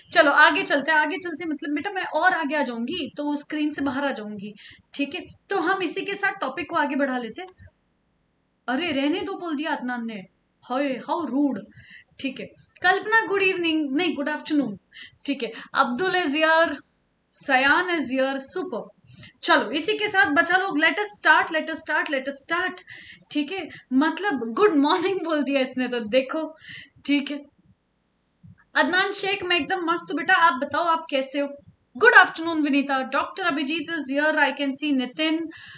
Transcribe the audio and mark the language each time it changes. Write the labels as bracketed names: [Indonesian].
[Hindi] चलो आगे चलते हैं, आगे चलते हैं. मतलब बेटा मैं और आगे आ जाऊंगी तो स्क्रीन से बाहर आ जाऊंगी, ठीक है. तो हम इसी के साथ टॉपिक को आगे बढ़ा लेते. अरे रहने दो, बोल दिया अदनान ने. [English] hi how rude, [Hindi] ठीक है. कल्पना, गुड इवनिंग, नहीं गुड आफ्टरनून, ठीक है. [English] Abdul is यार, Sayan is यार, super. [Hindi] चलो इसी के साथ बचा लोग, [English] let us start, let us start, let us start, [Hindi] ठीक है. मतलब गुड मॉर्निंग बोल दिया इसने तो, देखो, ठीक है. अदनान शेख, मैं एकदम मस्त हूँ बेटा, आप बताओ आप कैसे हो. [English] Good afternoon Vinita. Doctor Abhijeet is here, I can see Nitin.